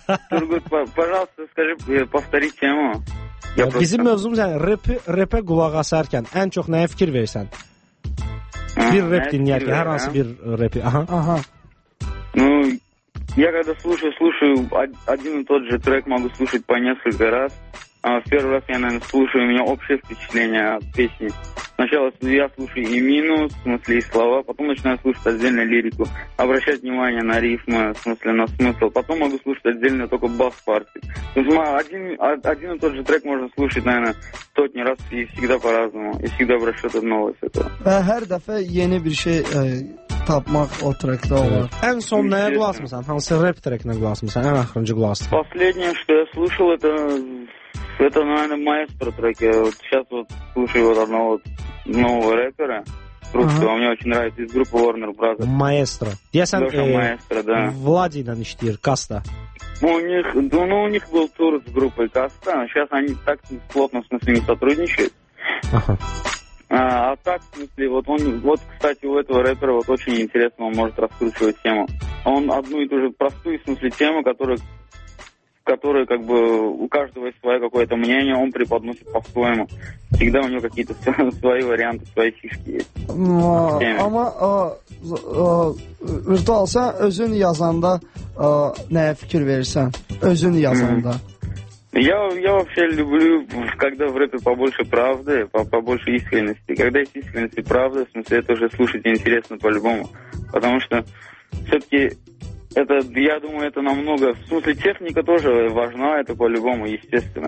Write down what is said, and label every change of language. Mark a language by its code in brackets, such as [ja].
[ru] Turgut, пожалуйста, скажи, повтори тему. [az] Bizim mövzumuz yani rap qulaq asarkən ən çox nəyə fikir versən? Bir rap dinləyərkən, hər hansı bir rapi. Aha. [ru] Ну, я когда слушаю один и тот же трек, могу слушать по несколько раз. В первый раз я, наверное, слушаю, у меня общее впечатление от песни. Сначала я слушаю и минус, в смысле, и слова, потом начинаю слушать отдельно лирику, обращать внимание на рифмы, в смысле, на смысл. Потом могу слушать отдельно только бас-партии. То есть, один и тот же трек можно слушать, наверное, сотни раз и всегда по-разному, и всегда обращать от нового с этого. [az] Ve her defa yeni bir şey... tapmaq o trekdə olur. Evet. Ən son nəyə qulaq asmısan? Hansı rap trekinə qulaq asmısan? Ən axırıncı qulaq asdın? [ru] Последнее, что я слушал, это наверное, Маэстро трек. Вот сейчас вот слушаю вот одного нового рэпера. Русского. Мне очень нравится из группы Warner Brothers. [az] Маэстро. Деясан, [ru] Маэстро, да. [az] Влади ilə işləyir, Каста. [ru] У них был тур с группой Каста. Сейчас они так плотно с ними сотрудничают. Ага. А так, в смысле, вот кстати, у этого рэпера вот очень интересно, он может раскручивать тему. Он одну и ту же простую, в смысле, тему, которая как бы у каждого есть свое какое-то мнение, он преподносит по-своему. Всегда у него какие-то свои варианты, свои фишки есть. [az] Ама виртуал, сен özün yazanda neye fikir verirsen, özün yazanda. [ru] Я вообще люблю, когда в рэпе побольше правды, побольше искренности. Когда есть искренность и правда, в смысле, это уже слушать интересно по-любому. Потому что все-таки это, я думаю, это намного... В смысле, техника тоже важна, это по-любому, естественно.